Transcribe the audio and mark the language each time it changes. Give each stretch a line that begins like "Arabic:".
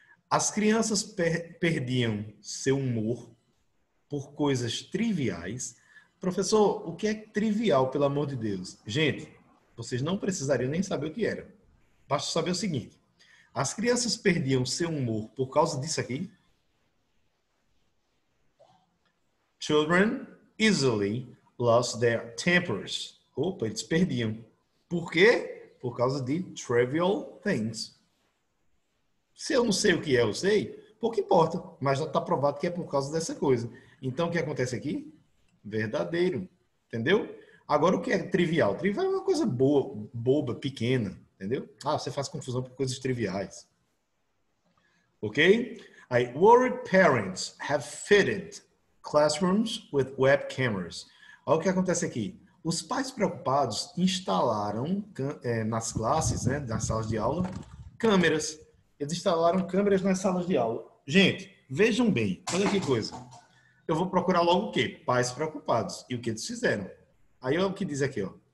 Portuguese: As crianças perdiam seu humor por coisas triviais. Professor, o que é trivial, pelo amor de Deus? Gente, vocês não precisariam nem saber o que era. Basta saber o seguinte: as crianças perdiam seu humor por causa disso aqui.
English: Children easily lost their tempers.
Portuguese: Opa, eles perdiam. Por quê? Por causa de
English: trivial things.
Portuguese: Se eu não sei o que é, eu sei, pouco importa, mas já está provado que é por causa dessa coisa. Então, o que acontece aqui? Verdadeiro, entendeu? Agora, o que é trivial? Trivial é uma coisa boa, boba, pequena, entendeu? Ah, você faz confusão por coisas triviais. Ok?
English: Aí, worried parents have fitted classrooms with web cameras.
Portuguese: Olha o que acontece aqui. Os pais preocupados instalaram nas classes, né, nas salas de aula, câmeras. Eles instalaram câmeras nas salas de aula. Gente, vejam bem, olha que coisa. Eu vou procurar logo o quê? Pais preocupados. E o que eles fizeram? Aí é o que diz aqui, ó.